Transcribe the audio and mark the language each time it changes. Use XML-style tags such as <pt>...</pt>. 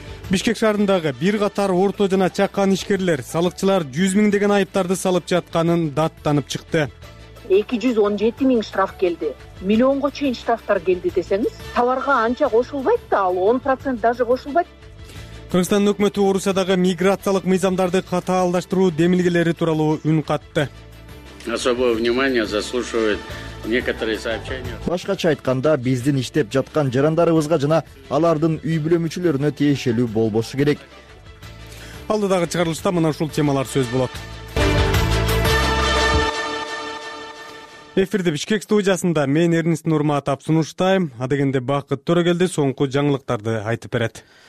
<ky>Бишкек шаарындагы бир катар орто жана чакан ишкерлер салыкчылар 100 000 деген айыптарды салып жатканын даттанып чыкты. 217 000 штраф келди. Миллионго чейин штрафтар келди десеңиз, товарга анча кошулбайт да, ал 10% даже кошулбайт. Кыргызстандын өкмөтү Орусиядагы миграциялык мыйзамдарды катаалдаштыруу демилгелери тууралуу үн катты.</ky> <ru>Особое внимание заслуживает некоторые сообщения.</ru> <ky>Башкача айтканда, биздин иштеп жаткан жарандарыбызга жана алардын үй бүлө мүчөлөрүнө тиешелүү болбошу керек. Алдыдагы чыгарылышта мына ушул темалар сөз болот. Эфирде Бишкек студиясында мен Эрнист Нурматов сунуштайм, адегенде Бакыт Төрөгөлдү соңку жаңылыктарды айтып берет.</ky>